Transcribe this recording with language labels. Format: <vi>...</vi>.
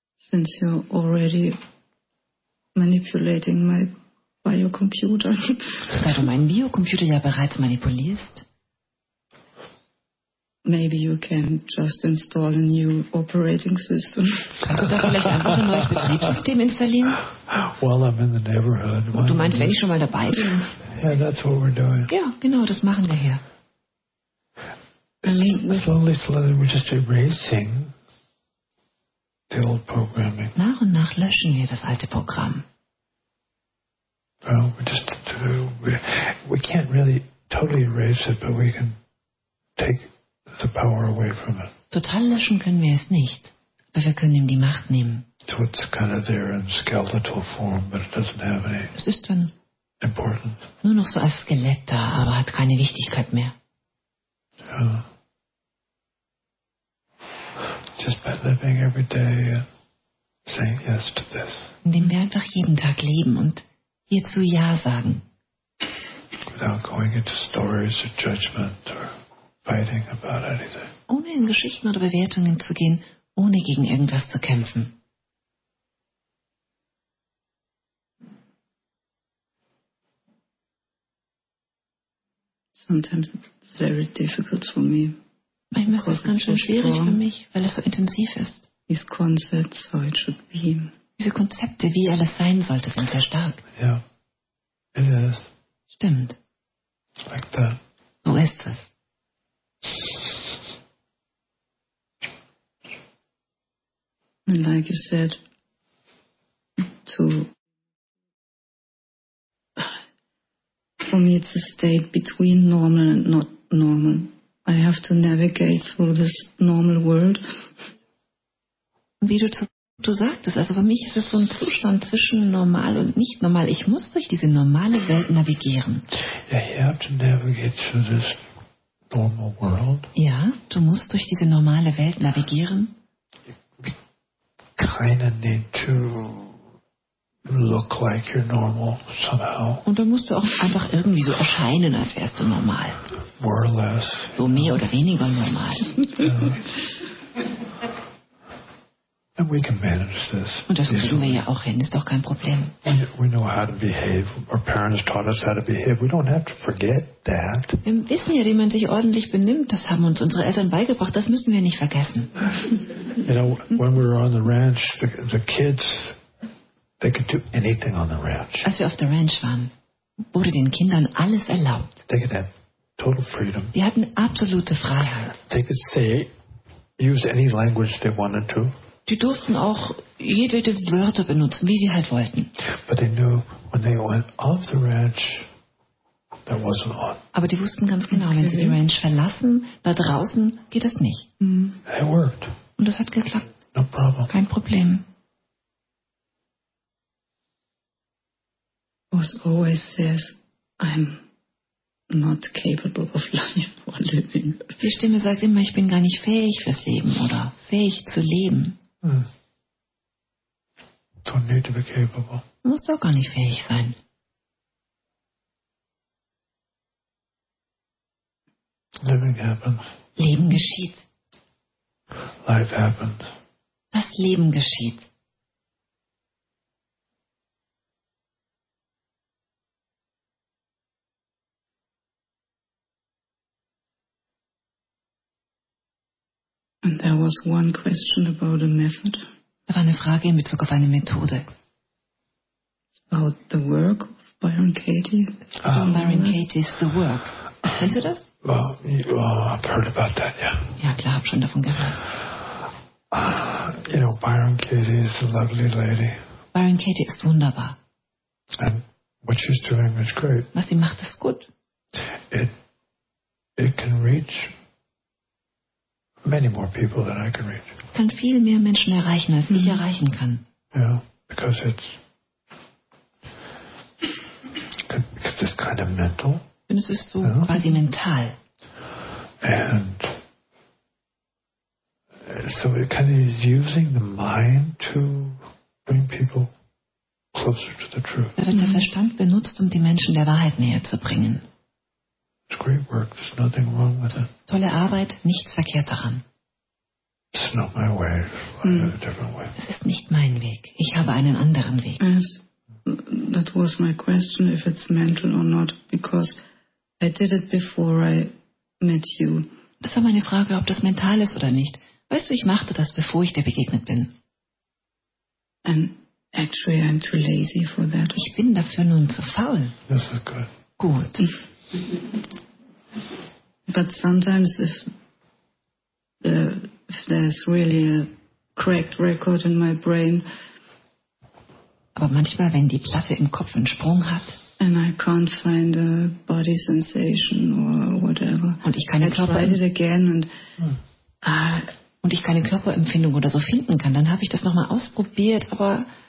<en>Since you're already manipulating my biocomputer.</en> <de>Da du meinen Biocomputer ja bereits manipulierst.</de> <en>Maybe you can just install a new operating system.</en> <de>Kannst du da vielleicht einfach ein neues Betriebssystem installieren?</de> <en>Well, I'm in the neighborhood.</en> <de>Und du meinst, wenn ich schon mal dabei bin.</de> <en>Yeah, that's what we're doing.</en> <de>Ja, genau, das machen wir hier.</de> <en>Slowly, we're just erasing. The old programming.</en> <de>Nach und nach löschen wir das alte Programm.</de> <en>Well, we can't really totally erase it, but we can take the power away from it.</en> <de>Total löschen können wir es nicht, aber wir können ihm die Macht nehmen.</de> <en>So it's kind of there in skeletal form, but it doesn't have any.</en> <de>Es ist dann</de> <en>importance.</en> <de>Nur noch so als Skelett da, aber hat keine Wichtigkeit mehr. Ja.</de> <en>Just by living every day and saying yes to this.</en> <de>Indem wir einfach jeden Tag leben und hierzu Ja sagen.</de> <en>Without going into stories or judgment or fighting about anything.</en> <de>Ohne in Geschichten oder Bewertungen zu gehen, ohne gegen irgendwas zu kämpfen.</de> <en>Sometimes it's very difficult for me.</en> <de>Manchmal ist es ganz schön schwierig für mich, weil es so intensiv ist.</de> <en>These concepts, how it should be.</en> <de>Diese Konzepte, wie alles sein sollte, sind sehr stark.</de> <en>Yeah. It is.</en> <de>Stimmt.</de> <en>Like that.</en> <de>So ist es.</de> <en>And like you said, to for me it's a state between normal and not normal. I have to navigate through this normal world.</en> <de>Wie du sagtest, also für mich ist es so ein Zustand zwischen normal und nicht normal. Ich muss durch diese normale Welt navigieren.</de> <en>Yeah, you have to navigate through this normal world.</en> <de>Ja, du musst durch diese normale Welt navigieren.</de> <en>Kind of need to look like you're normal somehow.</en> <de>Und dann musst du auch einfach irgendwie so erscheinen, als wärst du normal.</de> <en>More or less.</en> <de>So mehr oder weniger normal.</de> <en>Yeah. And we can manage this.</en> <de>Und das kriegen wir ja auch hin, ist doch kein Problem.</de> <en>We know how to behave. Our parents taught us how to behave. We don't have to forget that.</en> <de>Wir wissen ja, wie man sich ordentlich benimmt. Das haben uns unsere Eltern beigebracht. Das müssen wir nicht vergessen.</de> <en>You know, when we were on the ranch, the kids... They could do anything on the ranch.</en> <de>Als wir auf der Ranch waren, wurde den Kindern alles erlaubt.</de> <en>They could have total freedom.</en> <de>Die hatten absolute Freiheit.</de> <en>They could say, use any language they wanted to.</en> <de>Die durften auch jedwede Wörter benutzen, wie sie halt wollten.</de> <en>But they knew when they went off the ranch, that wasn't on.</en> <de>Aber die wussten ganz genau, wenn sie die Ranch verlassen, da draußen geht das nicht.</de> <en>It worked.</en> <de>Und das hat geklappt.</de> <en>No problem.</en> <de>Kein Problem.</de> <en>Was always says, I'm not capable of life or living.</en> <de>Die Stimme sagt immer, ich bin gar nicht fähig fürs Leben oder fähig zu leben.</de> <en>Don't need to be capable.</en> <de>Muss auch gar nicht fähig sein.</de> <en>Living happens.</en> <de>Leben geschieht.</de> <en>Life happens.</en> <de>Das Leben geschieht.</de> <en>And there was one question about a method.</en> <de>Da war eine Frage in Bezug auf eine Methode.</de> <en>It's about the work of Byron Katie.</en> <de>Byron Katie's The Work. Kennst du das?</de> <en>Well, I've heard about that, yeah.</en> <de>Ja, klar, hab schon davon gehört.</de> <en>You know, Byron Katie is a lovely lady.</en> <de>Byron Katie ist wunderbar.</de> <en>And what she's doing is great.</en> <de>Was sie macht, ist gut.</de> <en>It can reach... Many more people than I can reach.</en> <de>Kann viel mehr Menschen erreichen, als ich erreichen kann.</de> <en>Yeah, because it's just kind of mental.</en> <de>Und es ist so quasi mental.</de> <en>And so it kind of is using the mind to bring people closer to the truth.</en> <de>Da wird der Verstand benutzt, um die Menschen der Wahrheit näher zu bringen.</de> <en>It's great work. There's nothing wrong with it.</en> <de>Tolle Arbeit, nichts verkehrt daran.</de> <en>It's not my way. I have a different way.</en> <de>Es ist nicht mein Weg. Ich habe einen anderen Weg.</de> <en>Yes. That was my question, if it's mental or not, because I did it before I met you.</en> <de>Das war meine Frage, ob das mental ist oder nicht. Weißt du, ich machte das, bevor ich dir begegnet bin.</de> <en>And actually, I'm too lazy for that.</en> <de>Ich bin dafür nun zu faul.</de> <en>This is good.</en> <de>Gut.</de> <en>But sometimes if there's really a cracked record in my brain,</en> <de>aber manchmal, wenn die Platte im Kopf einen Sprung hat,</de> <en>and I can't find a body sensation or whatever,</en> <de>und ich keine Körperempfindung oder so finden kann, dann habe ich das nochmal ausprobiert, aber</de>